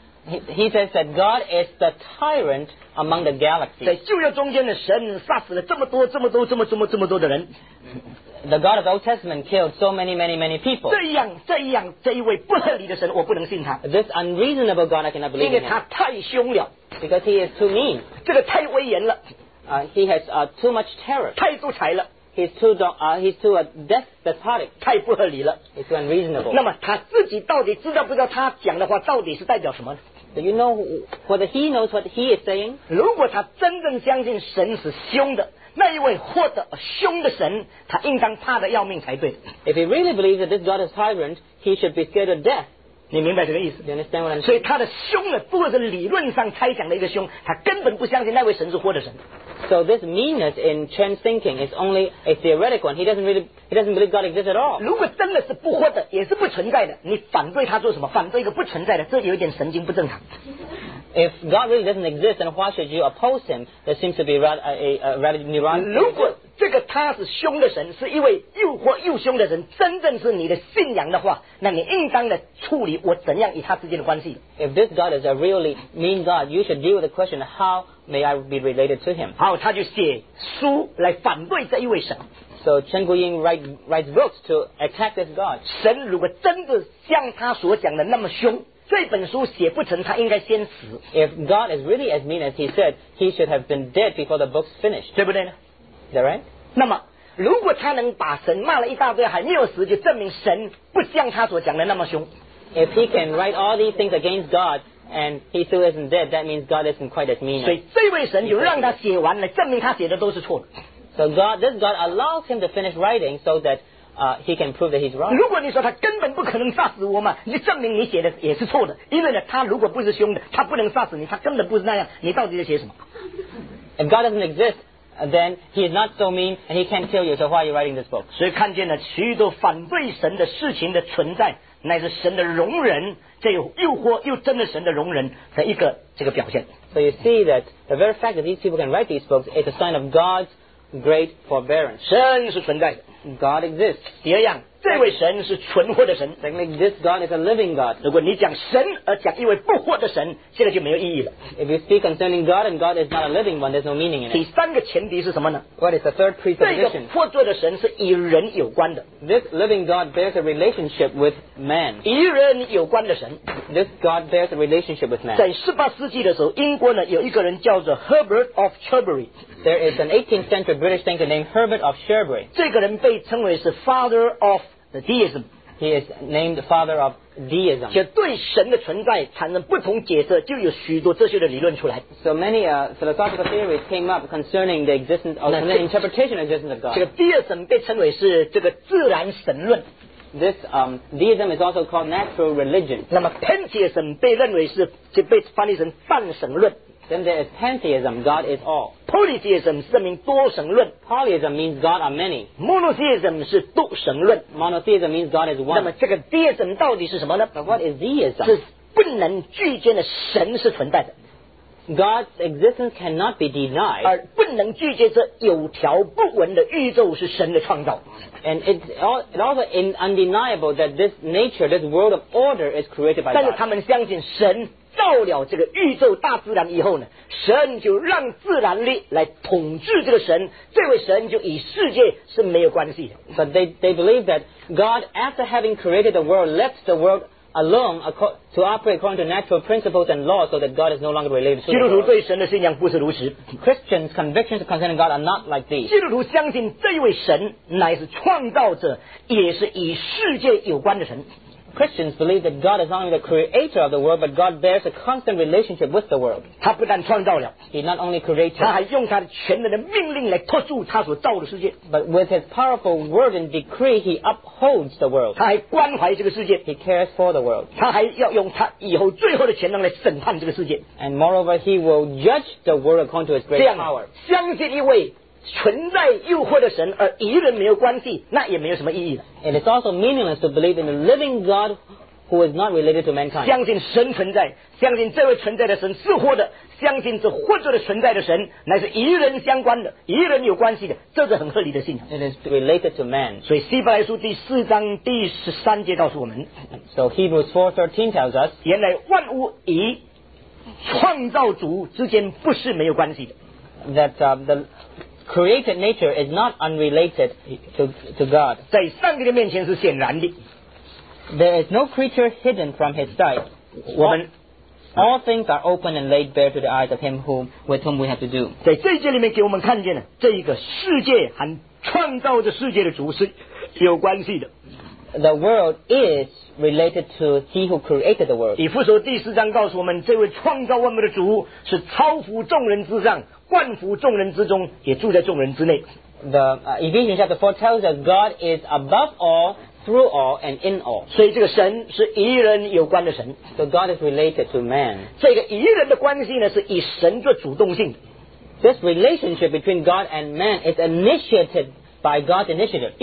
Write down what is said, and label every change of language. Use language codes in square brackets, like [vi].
[en] He says that God is the tyrant among the galaxies. [zh] 在旧约中间的神杀死了这么多、这么多、这么、这么、这么多的人。 [en] The God of the Old Testament killed so many, many, many people. [zh] 这样，这一位不合理的神，我不能信他。 [en] This unreasonable God, I cannot believe. [zh] 因为他太凶了。 [en] Because he is too mean. [zh] 这个太威严了。 [en] He has too much terror. [zh] 太独裁了。 [en] He's too despotic. [zh] 太不合理了。 [en] He's too unreasonable. [zh] 那么他自己到底知道不知道他讲的话到底是代表什么呢？ [en] Do you know whether he knows what he is saying? [zh] 如果他真正相信神是凶的，那一位或者凶的神，他应当怕得要命才对。 [en] If he really believes that this God is tyrant, he should be scared of death. [zh] 你明白这个意思？ [en] You understand what I'm saying? [zh] 所以他的凶呢，不过是理论上猜想的一个凶，他根本不相信那位神是活的神。 [en] So this meanness in Chen's thinking is only a theoretical one. He doesn't believe God exists at all. [zh] 如果真的是不活的，也是不存在的，你反对他做什么？反对一个不存在的，这有点神经不正常。 [en] If God really doesn't exist, then why should you oppose him? That seems to be rather neurotic. [zh] 如果这个他是凶的神，是一位又活又凶的神，真正是你的信仰的话，那你应当的处理我怎样与他之间的关系。 [en] If this God is a really mean God, you should deal with the question how may I be related to him. [zh] 好，他就写书来反对这一位神。 [en] So Chen Guoyin writes books to attack this God. [zh] 神如果真的像他所讲的那么凶。这本书写不成，他应该先死。 [en] If God is really as mean as he said, he should have been dead before the book's finished. [zh] 对不对呢？ [en] Is that right? [zh] 那么，如果他能把神骂了一大堆，还没有死，就证明神不像他所讲的那么凶。 [en] If he can write all these things against God and he still isn't dead, that means God isn't quite as mean. [zh] 所以这位神就让他写完了，证明他写的都是错的。 [en] So this God allows him to finish writing so that. He can prove that he's wrong. [zh] 如果你说他根本不可能杀死我嘛，你证明你写的也是错的。因为呢，他如果不是凶的，他不能杀死你，他根本不是那样。你到底在写什么？ [en] If God doesn't exist, then he is not so mean and he can't kill you. So why are you writing this book? [zh] 所以看见了许多反对神的事情的存在，乃是神的容忍，这又活又真的神的容忍的一个这个表现。 [en] So you see that the very fact that these people can write these books is a sign of God's great forbearance. [zh] 神是存在的。 [en] God exists. [zh] 第二样，这位神是存活的神。 [en] Secondly, this God is a living God. [zh] 如果你讲神而讲一位不活的神，现在就没有意义了。 [en] If you speak concerning God and God is not a living one, there's no meaning in it. [zh] 第三个前提是什么呢？ [en] What is the third presupposition? [zh] 这个活着的神是与人有关的。 [en] This living God bears a relationship with man. [zh] 与人有关的神。 [en] This God bears a relationship with man. [zh] 在十八世纪的时候，英国呢有一个人叫做 Herbert of Cherbury。 [en] There is an 18th century British thinker named Herbert of Cherbury. [zh] 这个人被称为是 Father of Deism. [en] He is named Father of Deism. [zh] 就对神的存在产生不同解释，就有许多哲学的理论出来。 [en] So many philosophical theories came up concerning the existence of the interpretation of the existence of God. [zh] 这个 Deism 被称为是这个自然神论。 [en] This Deism is also called natural religion. [zh] 那么 Pantheism 被认为是就被翻译成泛神论。 [en] Then there is pantheism, God is all. [zh] Polytheism 是名多神论。 [en] Polytheism means God are many. [zh] Monotheism 是多神论。 [en] Monotheism means God is one. [zh] 那么这个 deism 到底是什么呢？ [en] But what is deism? [zh] 是不能拒见的神是存在的。 [en] God's existence cannot be denied. [zh] 而不能拒见这有条不紊的宇宙是神的创造。 [en] And it's also undeniable that this nature, this world of order is created by God. [zh] 但是他们相信神造了这个宇宙大自然以后呢，神就让自然力来统治这个神，这位神就与世界是没有关系的。 [en] But they believe that God, after having created the world, left the world alone to operate according to natural principles and laws, so that God is no longer related to the world. [zh] 基督徒对神的信仰不是如此。 [en] Christians' convictions concerning God are not like these. [zh] 基督徒相信这位神乃是创造者，也是与世界有关的神。 [en] Christians believe that God is not only the creator of the world, but God bears a constant relationship with the world. [zh] 他不但创造了， [en] He not only created, [zh] 他还用他的全能的命令来托住他所造的世界。 [en] But with his powerful word and decree, he upholds the world. [zh] 他还关怀这个世界， [en] He cares for the world. [zh] 他还要用他以后最后的全能来审判这个世界。 [en] And moreover, he will judge the world according to his great power. [zh] 相信一位存在诱惑的神而与人没有关系，那也没有什么意义的。 [en] And it's also meaningless to believe in a living God who is not related to mankind. [zh] 相信神存在，相信这位存在的神是活的，相信这活着的存在的神乃是与人相关的，与人有关系的，这是很合理的信仰。 [en] It is related to man. [zh] 所以希伯来书第四章第十三节告诉我们。 [en] So Hebrews 4:13 tells us. [zh] 原来万物与创造主之间不是没有关系的。 [en] That the created nature is not unrelated to God. [zh] 在上帝的面前是显然的。 [en] There is no creature hidden from his sight. All things are open and laid bare to the eyes of him with whom we have to do. [zh] 在这一节里面给我们看见了这一个世界和创造着世界的主是有关系的。 [en] the world is related to he who created the world. [zh] 以弗所第四章告诉我们，这位创造万物的主是超乎众人之上，冠服众人之中，也住在众人之内。 [en] The Ephesians chapter 4 tells us God is above all, through all, and in all. [zh] 所以这个神是与人有关的神。 [en] So God is related to man. [zh] 这个与人的关系呢，是以神做主动性。 [en] This relationship between God and man is initiated by God's initiative.